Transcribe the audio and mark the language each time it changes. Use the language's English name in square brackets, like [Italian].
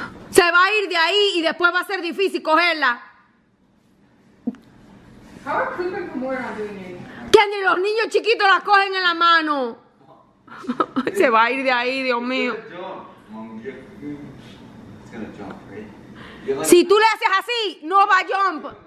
[Spanish] Se va a ir de ahí y después va a ser difícil cogerla. [English] How are Cooper and Kamora not doing anything? [Spanish] Kendry, los niños chiquitos las cogen en la mano. Se va a ir de ahí, Dios mío. [English] It's gonna jump, right? [Spanish] Like, si tú le haces así, no va a jump.